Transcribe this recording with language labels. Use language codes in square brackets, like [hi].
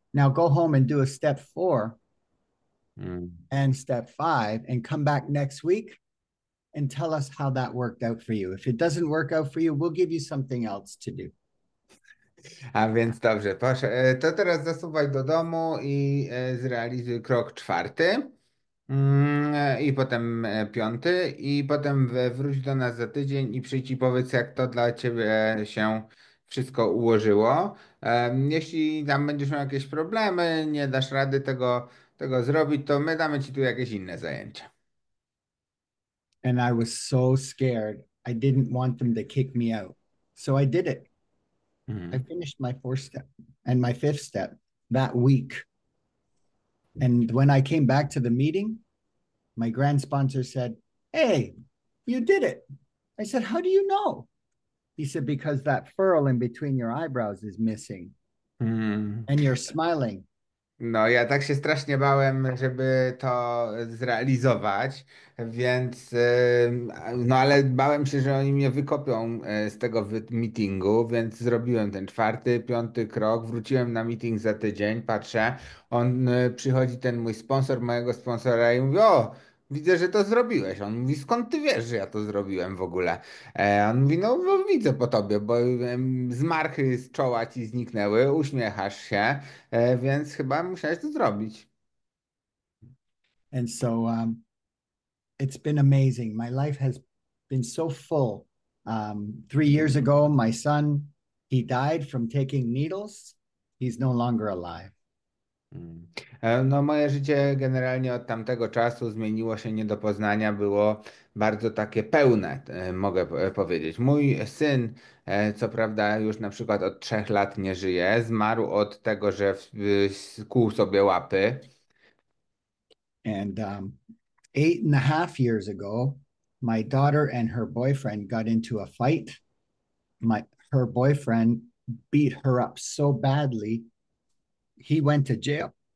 [en] Now go home and do a step four and step five and come back next week and tell us how that worked out for you. If it doesn't work out for you, we'll give you something else to do." [pl] A więc dobrze, proszę, to teraz zasuwaj do domu i zrealizuj krok czwarty, i potem piąty, i potem wróć do nas za tydzień i przyjdź i powiedz, jak to dla ciebie się wszystko ułożyło. Jeśli tam będziesz miał jakieś problemy, nie dasz rady tego zrobić, to my damy ci tu jakieś inne zajęcia. [en] And I was so scared. I didn't want them to kick me out. So I did it. I finished my fourth step and my fifth step that week. And when I came back to the meeting, my grand sponsor said, "Hey, you did it." I said, "How do you know?" He said, "Because that furrow in between your eyebrows is missing and you're smiling." [pl] No, ja tak się strasznie bałem, żeby to zrealizować, więc no ale bałem się, że oni mnie wykopią z tego meetingu, więc zrobiłem ten czwarty, piąty krok, wróciłem na meeting za tydzień, patrzę, przychodzi ten mój sponsor, mojego sponsora i mówi, o, widzę, że to zrobiłeś. On mówi, skąd ty wiesz, że ja to zrobiłem w ogóle? On mówi, no bo widzę po tobie, bo zmarchy z czoła ci zniknęły, uśmiechasz się, więc chyba musiałeś to zrobić. [en] And so it's been amazing. My life has been so full. 3 years ago, my son, he died from taking needles. He's no longer alive. [pl] No, moje życie generalnie od tamtego czasu zmieniło się nie do poznania, było bardzo takie pełne, mogę powiedzieć. Mój syn, co prawda, już na przykład od 3 lat nie żyje, zmarł od tego, że skłuł sobie łapy. [en] And 8.5 years ago, my daughter and her boyfriend got into a fight. Her boyfriend beat her up so badly, he went to jail.